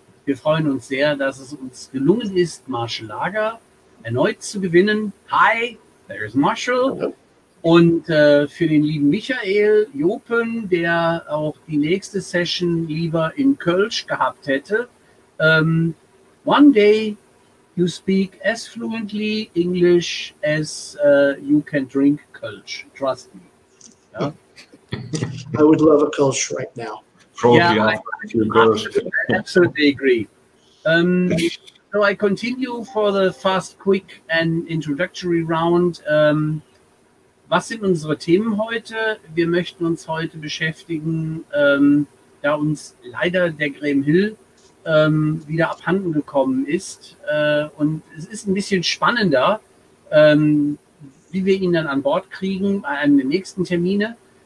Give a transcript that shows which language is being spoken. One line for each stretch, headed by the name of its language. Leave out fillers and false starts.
German: Wir freuen uns sehr, dass es uns gelungen ist, Marshall Lager erneut zu gewinnen.
English: Hi, there's Marshall. Hello.
German: Und für den lieben Michael Jopen, der auch die nächste Session lieber in Kölsch gehabt hätte.
English: One day you speak as fluently English as you can drink Kölsch. Trust me. Yeah? I would love a Kölsch right now. Probably, yeah, I absolutely agree. So I continue for the fast, quick and introductory round.
German: Was sind unsere Themen heute? Wir möchten uns heute beschäftigen, da uns leider der Graham Hill wieder abhanden gekommen ist. Und es ist ein bisschen spannender, wie wir ihn dann an Bord kriegen bei einem der nächsten Termine.